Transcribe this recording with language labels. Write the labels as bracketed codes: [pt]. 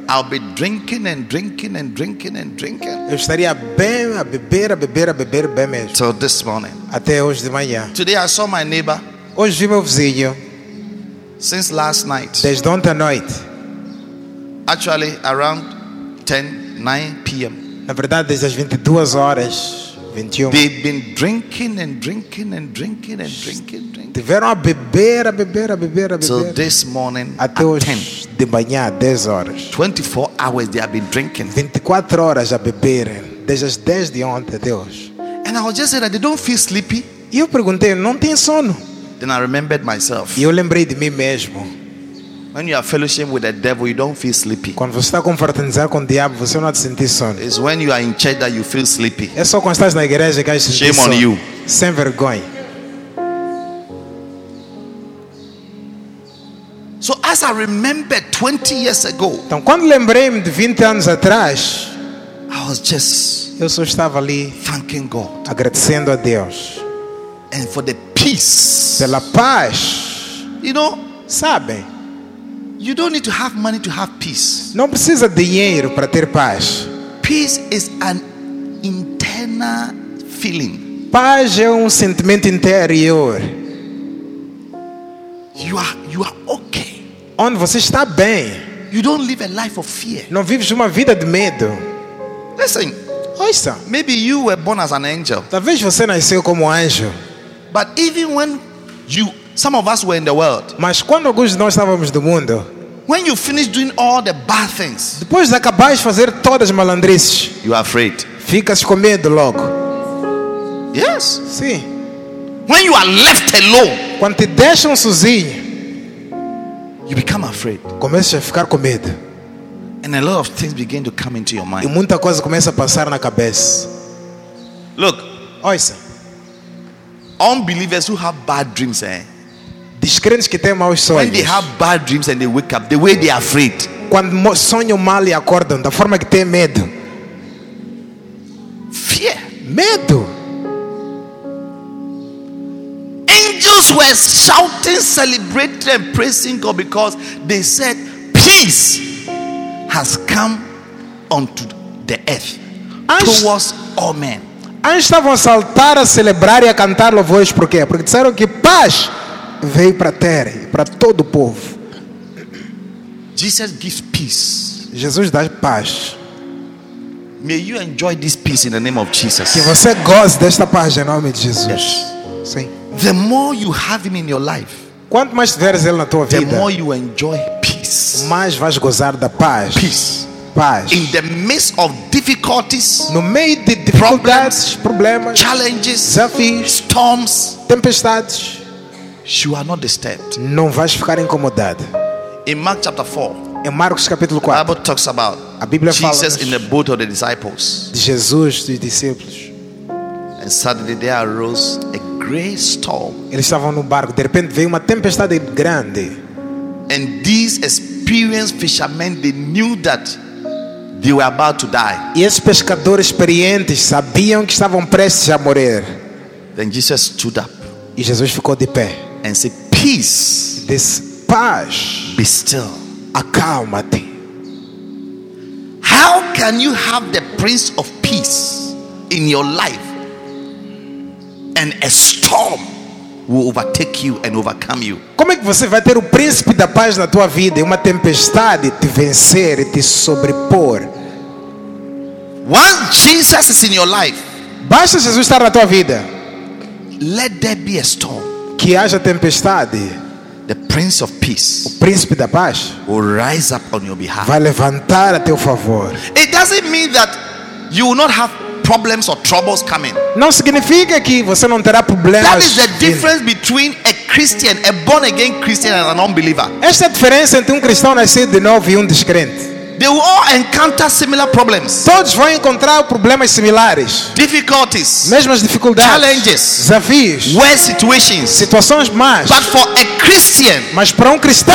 [en] I'll be drinking and drinking and drinking and drinking. [pt] Eu estaria bem a beber, a beber, a beber, bem mesmo. [en] Till this morning. [pt] Até hoje de manhã. [en] Today I saw my neighbor. [pt] Hoje vi meu vizinho. [en] Since last night. [pt] Desde ontem à noite. [en] Actually, around 10, 9 p.m. [pt] Na verdade, desde as 22 horas. 21. [en] They've been drinking and drinking and drinking and drinking. [pt] Tiveram a beber, a beber, a beber, a beber. [en] So this morning, [pt] até hoje, de manhã, 10 horas. [en] 24 hours they have been drinking. [pt] 24 horas a beber. Desde as 10 de ontem, até hoje. [en] And I was just saying that they don't feel sleepy. [pt] E eu perguntei, não tem sono? [en] Then I remembered myself. [pt] E eu lembrei de mim mesmo. [en] When you are fellowship with the devil, you don't feel sleepy. [pt] Quando você está confraternizar com o diabo, você não sente sono. [en] It's when you are in church that you feel sleepy. [pt] É só quando estás na igreja que sentes sono. [en] Shame on you. [pt] Sem vergonha. [en] So as I remembered 20 years ago. [pt] Então quando lembrei-me de 20 anos atrás, [en] I was just [pt] eu só estava ali [en] thanking God, [pt] agradecendo a Deus. [en] And for the peace. [pt] Pela paz. [en] You know, [pt] sabe? [en] You don't need to have money to have peace. [pt] Não precisa de dinheiro para ter paz. [en] Peace is an internal feeling. [pt] Paz é sentimento interior. [en] You are okay. [pt] Onde você está bem. [en] You don't live a life of fear. [pt] Não vives uma vida de medo. [en] Listen. [pt] Ouça. [en] Maybe you were born as an angel. [pt] Talvez você nasceu como anjo. [en] But even when you some of us were in the world. [pt] Mas quando alguns de nós estávamos no mundo. [en] When you finish doing all the bad things. [pt] Depois de acabar de fazer todas as malandrices. [en] You are afraid. [pt] Ficas com medo logo. [en] Yes. [pt] Sim. [en] When you are left alone. [pt] Quando te deixam sozinho. [en] You become afraid. [pt] Começas a ficar com medo. [en] And a lot of things begin to come into your mind. [pt] E muita coisa começa a passar na cabeça. [en] Look. [pt] Ouça. [en] Unbelievers who have bad dreams, eh? [pt] Descrentes que têm maus sonhos. [en] When they have bad dreams and they wake up, the way they are afraid. [pt] Quando sonham mal e acordam, da forma que têm medo. [en] Fear. [pt] Medo. [en] Angels were shouting, celebrating and praising God because they said, peace has come unto the earth towards all men. [pt] Anjos estavam a saltar, a celebrar e a cantar louvores. Por quê? Porque disseram que paz veio para a terra, para todo o povo. [en] Jesus gives peace. [pt] Jesus dá paz. [en] May you enjoy this peace in the name of Jesus. [pt] Que você goze desta paz em nome de Jesus. [en] Yes. [pt] Sim. [en] The more you have him in your life, [pt] quanto mais tiveres ele na tua vida, [en] the more you enjoy peace. [pt] Mais vais gozar da paz. [en] Peace. [pt] Paz. [en] In the midst of difficulties, [pt] no meio de dificuldades, problemas, [en] challenges, [pt] desafios, [en] storms, [pt] tempestades, [en] you are not disturbed. [pt] Não vais ficar incomodado. [en] In Mark chapter 4, [pt] em Marcos capítulo 4, [en] the Bible talks about [pt] a Bíblia [en] Jesus [pt] fala [en] in the boat of the disciples, [pt] de Jesus dos discípulos. [en] And suddenly there arose a great storm. [pt] Eles estavam no barco. De repente veio uma tempestade grande. [en] And these experienced fishermen, they knew that they were about to die. [pt] E esses pescadores experientes sabiam que estavam prestes a morrer. [en] Then Jesus stood up. [pt] E Jesus ficou de pé. [en] And said, "Peace." [pt] This paz. [en] Be still. [pt] Acalma-te. [en] How can you have the Prince of Peace in your life and a storm will overtake you and overcome you? [pt] Como é que você vai ter o Príncipe da Paz na tua vida e uma tempestade te vencer e te sobrepor? [en] Once Jesus is in your life, [pt] basta Jesus estar na tua vida. [en] Let there be a storm. [pt] Que haja tempestade. [en] The Prince of Peace, [pt] o Príncipe da Paz, [en] will rise up on your behalf. [pt] Vai levantar a teu favor. [en] It doesn't mean that you will not have problems or troubles coming. [pt] Não significa que você não terá problemas. [en] That is the difference between a Christian, a born again Christian, and an unbeliever. [pt] Esta é a diferença entre cristão nascido de novo e descrente. [en] They will all encounter similar problems. [pt] Todos vão encontrar problemas similares. [en] Difficulties. [pt] Mesmas dificuldades. [en] Challenges. [pt] Desafios. [en] Worse situations. [pt] Situações más. [en] But for a Christian, [pt] mas para cristão,